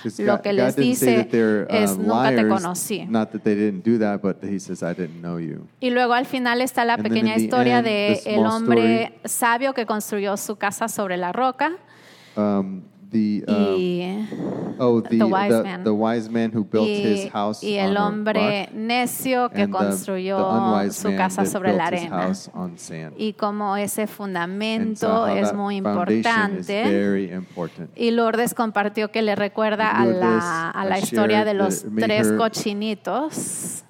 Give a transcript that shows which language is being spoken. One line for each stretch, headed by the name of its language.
Spanish: Lo que les dice es nunca te conocí.
English: Not that they didn't do that, but he says I didn't know you.
Spanish: Y luego al final está la pequeña historia de el hombre sabio que construyó su casa sobre la roca.
English: The wise man who built his house on
Spanish: Y el hombre necio que construyó su casa sobre la arena.
English: His house on sand.
Spanish: Y como ese fundamento es muy importante.
English: Foundation is very important.
Spanish: Y Lourdes compartió que le recuerda a la historia de los tres cochinitos.